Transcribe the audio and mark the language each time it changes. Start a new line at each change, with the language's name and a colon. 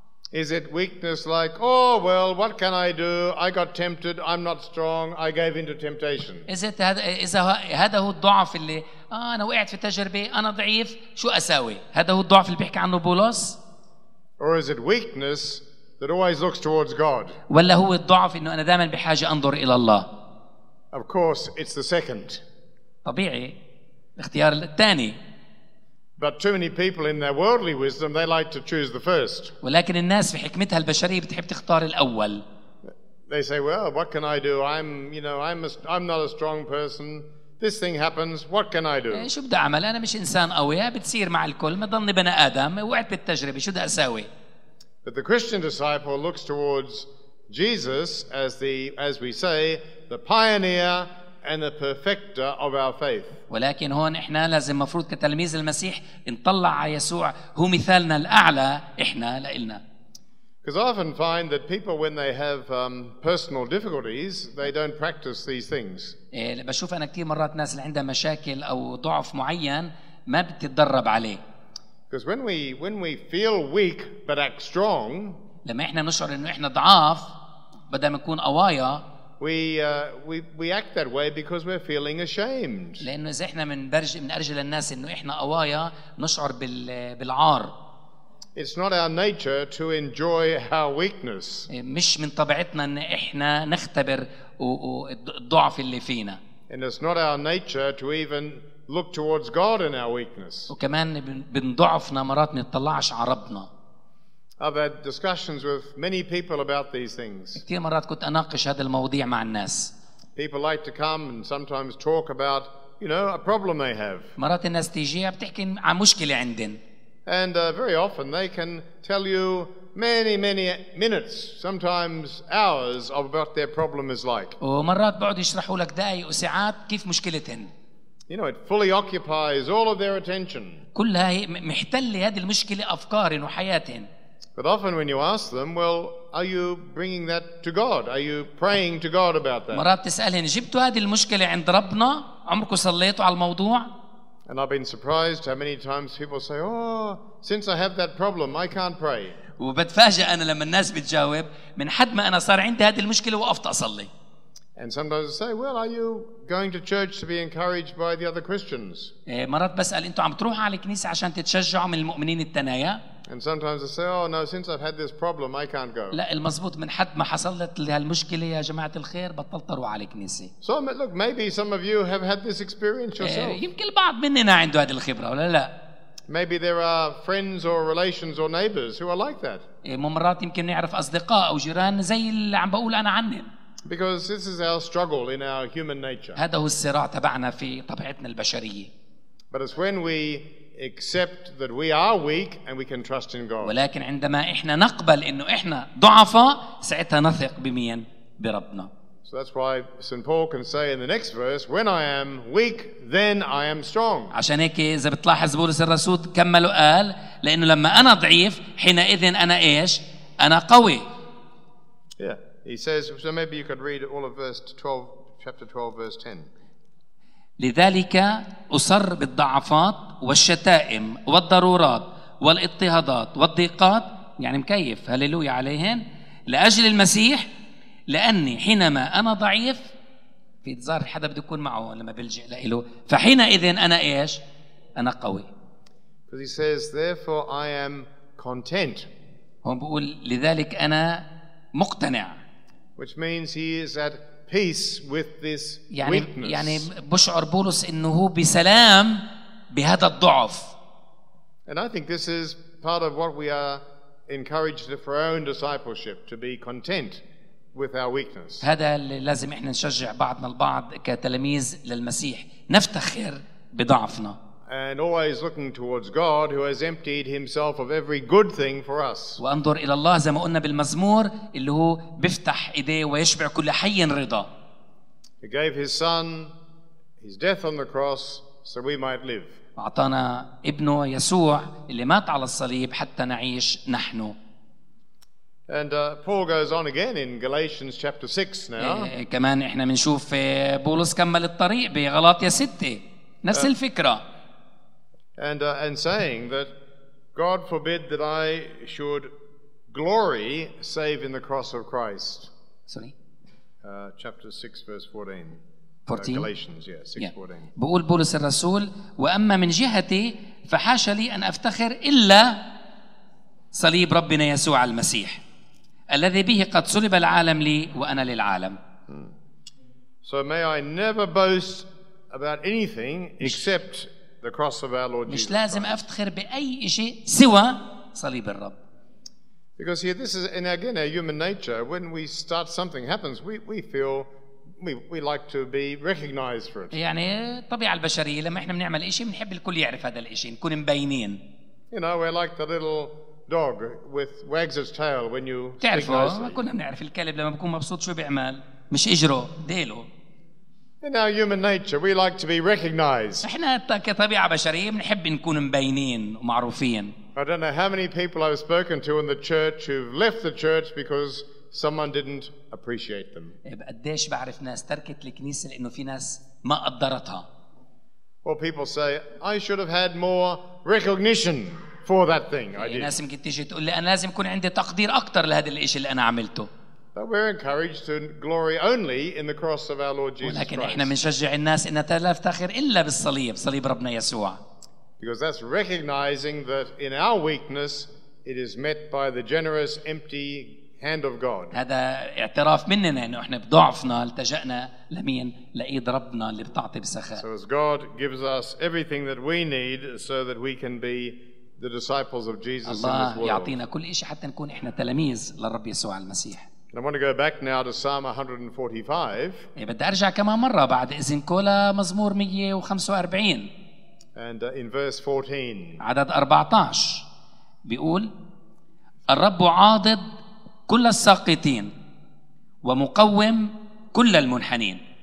English: Is it weakness like, oh well, what can I do? I got tempted. I'm not strong. I gave into temptation. Is it
Arabic: هذا هو الضعف اللي أنا وقعت في التجربة أنا ضعيف شو أساوي؟ هذا هو الضعف اللي بيحكي عنه بولس؟
English: Or is it weakness that always looks towards God?
Arabic: ولا هو الضعف إنه أنا دائما بحاجة أنظر إلى الله؟
English: Of course, it's the second.
Arabic: طبيعي الاختيار الثاني.
English: But too many people in their worldly wisdom, they like to choose the first.
Arabic: ولكن الناس في حكمتها البشرية بتحب تختار الأول.
English: They say, well, what can I do? I'm not a strong person. This thing happens. What can I do?
Arabic: شو بدي أعمل؟ أنا مش إنسان قوي. بتصير مع الكل. ما ضلني بني آدم. وقعت بالتجربة. شو بدي أساوي؟
English: But the Christian disciple looks towards Jesus as the, as we say, the pioneer and the perfecter of our faith.
Arabic: ولكن هون احنا لازم مفروض كتلاميذ المسيح نطلع على يسوع هو مثالنا الاعلى احنا لإلنا.
English: Because I often find that people when they have personal difficulties they don't practice these things.
Arabic: بشوف انا كثير مرات ناس اللي عندها مشاكل او ضعف معين ما بتتدرب عليه.
English: Because when we feel weak but act strong,
Arabic: لما احنا نشعر انه احنا ضعاف بدل ما نكون قوايا,
English: We act that way because we're feeling ashamed.
Arabic: لأنه إذا إحنا من أرجل الناس إنه إحنا قوايا نشعر بالعار.
English: It's not our nature to enjoy our weakness.
Arabic: مش من طبيعتنا إن إحنا نختبر الضعف اللي فينا.
English: And it's not our nature to even look towards God in our weakness.
Arabic: وكمان بنضعفنا مرات نتطلعش على ربنا.
English: I've had discussions with many people about these things.
Arabic: كثير مرات كنت أناقش هذه المواضيع مع الناس.
English: People like to come and sometimes talk about, you know, a problem they have.
Arabic: مرات الناس تيجي بتحكي عن مشكلة عندهم.
English: And very often they can tell you many, many minutes, sometimes hours, of what their problem is like.
Arabic: ومرات بعد يشرحوا لك دقائق وساعات كيف مشكلتهم.
English: You know, it fully occupies all of their attention.
Arabic: كلها محتلة هذه المشكلة أفكارهم وحياتهم.
English: But often when you ask them, well, are you bringing that to God? Are you praying to God about that?
Arabic: مرات تسألهن جبتوا هذه المشكلة عند ربنا؟ عمركوا صليتوا على الموضوع؟
English: And I've been surprised how many times people say, oh, since I have that problem, I can't pray.
Arabic: وبتفاجأ أنا لما الناس بتجاوب من حد ما أنا صار عندي هذه المشكلة وقفت أصلي.
English: And sometimes I say, well, are you going to church to be encouraged by the other Christians?
Arabic: مرات بسأل أنتوا عم تروحوا على الكنيسة عشان تتشجعوا من المؤمنين التنايا؟
English: And sometimes I say, oh no, since I've had this problem, I can't go.
Arabic: لا المزبوط من حد ما حصلت لهالمشكلة يا جماعة الخير بطلت أروح على الكنيسة.
English: So look, maybe some of you have had this experience yourself.
Arabic: يمكن بعض مننا عنده هذه الخبرة ولا لا؟
English: Maybe there are friends or relations or neighbors who are like that.
Arabic: مرات يمكن نعرف أصدقاء أو جيران زي اللي عم بقول أنا عنهم.
English: Because this is our struggle in our human nature.
Arabic: هذا هو الصراع تبعنا في طبيعتنا البشرية.
English: But it's when we accept that we are weak and we can trust in God.
Arabic: ولكن عندما احنا نقبل انه احنا ضعفاء ساعتها نثق بمين؟ بربنا.
English: So that's why St. Paul can say in the next verse, when I am weak, then I am strong.
Arabic: عشان هيك إذا بتلاحظ بولس الرسول كمل وقال لأنه لما أنا ضعيف حينئذ أنا إيش؟ أنا قوي.
English: Yeah, he says. So maybe you could read all of verse 12, chapter 12, verse 10.
Arabic: لذلك أصر بالضعفات والشتائم والضرورات والاضطهادات والضيقات يعني مكيف هللويا عليهن لأجل المسيح لأني حينما أنا ضعيف في إنتظار حدا بده يكون معه لما بلجئ لإله فحينئذ أنا إيش أنا قوي.
English: Because he says, therefore I am content.
Arabic: هون بقول لذلك أنا مقتنع.
English: Which means he is at peace with this weakness.
Arabic: يعني بشعر بولس إنه هو بسلام بهذا الضعف.
English: And I think this is part of what we are encouraged for our own discipleship to be content with our weakness.
Arabic: هذا اللي لازم إحنا نشجع بعضنا البعض كتلاميذ للمسيح نفتخر بضعفنا.
English: And always looking towards God who has emptied himself of every good thing for us.
Arabic: وانظر الى الله زي ما قلنا بالمزمور اللي هو بيفتح ايديه ويشبع كل حي رضا.
English: He gave his son his death on the cross so we might live.
Arabic: اعطانا ابنه يسوع اللي مات على الصليب حتى نعيش نحن.
English: And Paul goes on again in Galatians chapter 6 now.
Arabic: كمان احنا بنشوف بولس كمل الطريق بغلاطيا 6 نفس الفكره.
English: And saying that God forbid that I should glory save in the cross of Christ. Sorry. Chapter 6 verse 14. 14. Galatians, yeah, 6, yeah. 14.
Arabic: بقول بولس الرسول وأما من جهتي فحاش لي أن أفتخر إلا صليب ربنا يسوع المسيح الذي به قد صلب العالم لي وأنا للعالم.
English: So may I never boast about anything except the cross of our Lord Jesus.
Arabic: مش لازم افتخر باي شيء سوى صليب الرب.
English: Because here this is in again our human nature when we start something happens we feel we like to be recognized for it.
Arabic: يعني الطبيعه البشريه لما احنا بنعمل شيء بنحب الكل يعرف هذا الشيء نكون مبينين.
English: You know we're like the little dog with wags its tail when you
Arabic: كنا بنعرف الكلب لما بكون مبسوط شو بيعمل مش اجره ديله.
English: In our human nature, we like to be recognized.
Arabic: إحنا كطبيعة بشرية بنحب نكون مبينين ومعروفين.
English: I don't know how many people I've spoken to in the church who've left the church because someone didn't appreciate them.
Arabic: قديش بعرف ناس تركت الكنيسة لأنه في ناس ما قدرتها.
English: Or people say, I should have had more recognition for that thing I did.
Arabic: ناس ممكن تيجي تقول لي أنا لازم يكون عندي تقدير أكتر لهذا الإشي اللي أنا عملته.
English: But we're encouraged to glory only in the cross of our Lord Jesus
Arabic: ولكن
English: Christ.
Arabic: احنا بنشجع الناس ان لا تفتخر الا بالصليب صليب ربنا يسوع.
English: Because that's recognizing that in our weakness it is met by the generous empty hand of God.
Arabic: هذا اعتراف مننا انه احنا بضعفنا التجأنا لمين لايد ربنا اللي بتعطي بسخاء.
English: So as God gives us everything that we need so that we can be the disciples of Jesus in this world.
Arabic: الله يعطينا كل شيء حتى نكون احنا تلاميذ للرب يسوع المسيح.
English: And I want to go back now to Psalm 145.
Arabic: بدي ارجع كمان مره بعد اذنك لمزمور 145.
English: And in verse 14.
Arabic: عدد 14 بيقول الرب عاضد كل الساقطين ومقوم كل المنحنين.